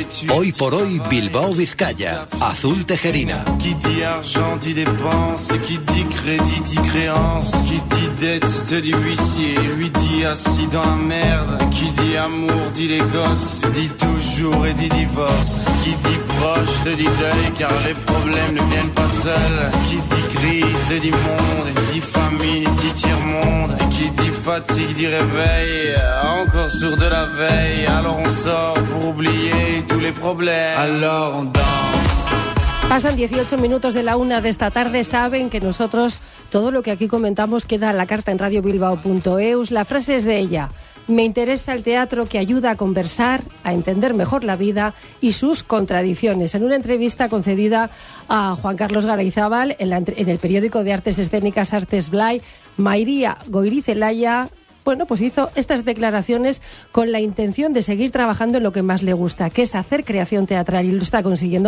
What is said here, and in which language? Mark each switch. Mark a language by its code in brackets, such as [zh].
[es] Hoy por hoy, Bilbao, Vizcaya, Azul Tejerina. [fr] Qui dit argent dit dépense, qui dit crédit dit créance, qui dit dette te dit huissier, lui dit assis dans la merde, qui dit amour dit les gosses, dit toujours et dit divorce, qui dit proche te dit deuil car les problèmes ne viennent pas seuls, qui dit crise te dit monde, dit famine dit tiers-monde, qui dit fatigue dit réveil, encore sourd de la veille, alors on sort pour oublier tous les problèmes, alors on danse. [es] Pasan 18 minutos de la una de esta tarde. Saben que nosotros, todo lo que aquí comentamos queda a la carta en radiobilbao.eu. La frase es de ella. Me interesa el teatro que ayuda a conversar, a entender mejor la vida y sus contradicciones. En una entrevista concedida a Juan Carlos Garayzábal en el periódico de Artes Escénicas Artes Blay, Mairía Goirizelaia, bueno, pues hizo estas declaraciones con la intención de seguir trabajando en lo que más le gusta, que es hacer creación teatral, y lo está consiguiendo.